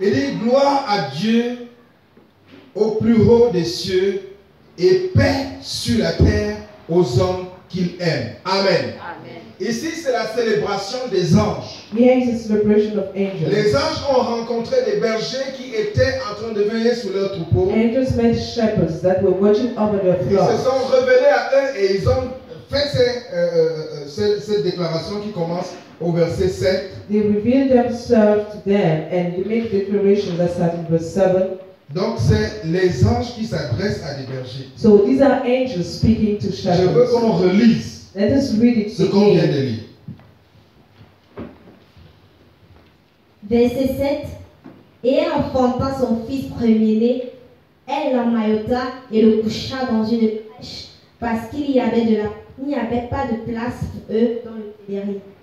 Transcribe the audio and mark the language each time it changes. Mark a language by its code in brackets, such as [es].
[fr] Il dit, gloire à Dieu au plus haut des cieux et paix sur la terre aux hommes qu'il aime. Amen. Amen. Ici, c'est la célébration des anges. [en] Yes, it's celebration of angels. [fr] Les anges ont rencontré des bergers qui étaient en train de veiller sur leur troupeau. [en] Angels met shepherds that were watching over their flock. [fr] Ils se sont révélés à eux et ils ont fait cette déclaration qui commence au verset 7. [en] They revealed themselves to them and they make declarations that start in verse 7. [fr] Donc, c'est les anges qui s'adressent à des bergers. [en] So, these are angels speaking to shepherds. [fr] Je veux qu'on relise [en] Let us read it [fr] ce qu'on vient de lire. Verset 7. Et elle enfanta son fils premier-né, elle l'emmaillota et le coucha dans une crèche, parce qu'il y avait pas de place pour eux dans le terrier.